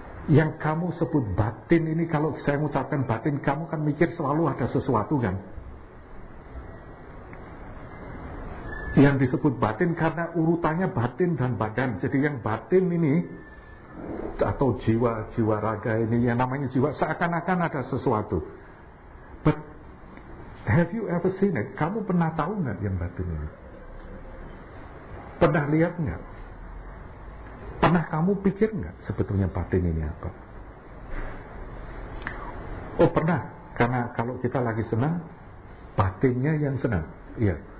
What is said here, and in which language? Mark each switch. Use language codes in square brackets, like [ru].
[id] Yang kamu sebut batin ini, kalau saya mengucapkan batin, kamu kan mikir selalu ada sesuatu kan? Yang disebut batin karena urutannya batin dan badan. Jadi yang batin ini atau jiwa raga ini, yang namanya jiwa, seakan-akan ada sesuatu. [en] But have you ever seen it? [id] Kamu pernah tahu nggak yang batin ini? Pernah lihat nggak? Pernah kamu pikir enggak sebetulnya batin ini apa? Oh pernah, karena kalau kita lagi senang, batinnya yang senang. Iya.